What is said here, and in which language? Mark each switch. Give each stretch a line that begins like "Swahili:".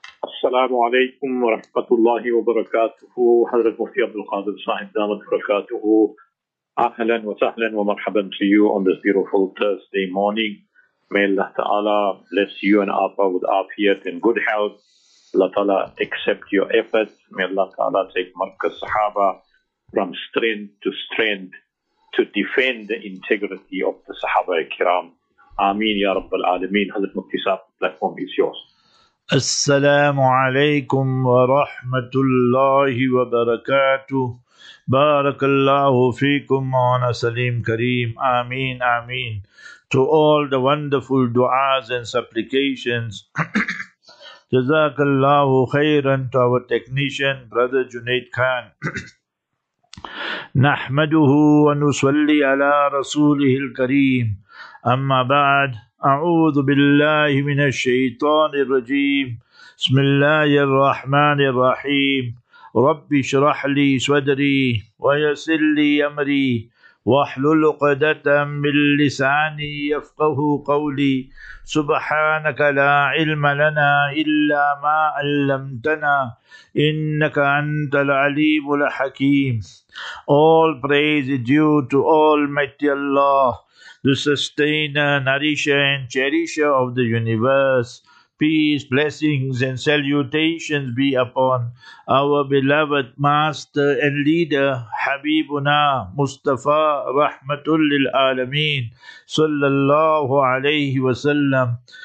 Arabic: السلام عليكم ورحمة الله وبركاته. حضرة المفتي عبد القادر صاحب دار بركاته، أهلا وسهلا ومرحبا
English: to you on this beautiful Thursday morning. May Allah Ta'ala bless you and Apa with afiyat and good health. Allah Ta'ala accept your efforts. May Allah Ta'ala take Marqa Sahaba from strength to strength to defend the integrity of the Sahaba Ikram. Ameen Ya Rabbal Alameen. Hazrat Mufti Sahab, the platform is yours.
Arabic: السلام عليكم ورحمة الله وبركاته. بارك الله فيكم وانا سليم كريم. آمين آمين.
English: To all the wonderful du'as and supplications,
Arabic: جزاك الله خيرا.
English: To our technician, brother Junaid Khan,
Arabic: نحمده ونصلي على رسوله الكريم. أما بعد، أعوذ بالله من الشيطان الرجيم. بسم الله الرحمن الرحيم. رب اشرح لي صدري ويسر لي أمري واحلل عقدة من لساني يفقه قولي. سبحانك لا علم لنا إلا ما علمتنا إنك أنت العليم الحكيم.
English: All praise is due to Almighty Allah, the sustainer, nourisher, and cherisher of the universe. Peace, blessings, and salutations be upon our beloved master and leader, Habibuna Mustafa Rahmatul Lil Alameen, Sallallahu Alaihi Wasallam.